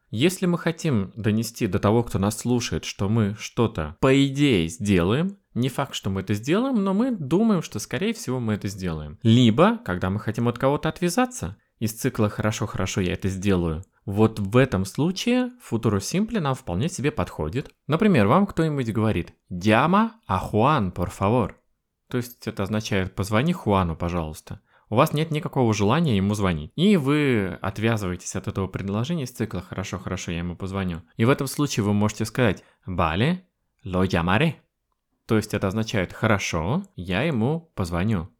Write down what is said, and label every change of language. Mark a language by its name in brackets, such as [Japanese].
[Russian] Если мы хотим донести до того, кто нас слушает, что мы что-то по идее сделаем, Не факт, что мы это сделаем, но мы думаем, что скорее всего мы это сделаем. Либо, когда мы хотим от кого-то отвязаться из цикла «хорошо-хорошо, я это сделаю». Вот в этом случае футуро симпле нам вполне себе подходит. Например, вам кто-нибудь говорит [Spanish] «Llama a Juan, por favor». [Russian] То есть это означает «позвони Хуану, пожалуйста». У вас нет никакого желания ему звонить. И вы отвязываетесь от этого предложения из цикла «хорошо-хорошо, я ему позвоню». И в этом случае вы можете сказать [Spanish] «Vale, lo llamaré». [Russian] То есть это означает «хорошо, я ему позвоню».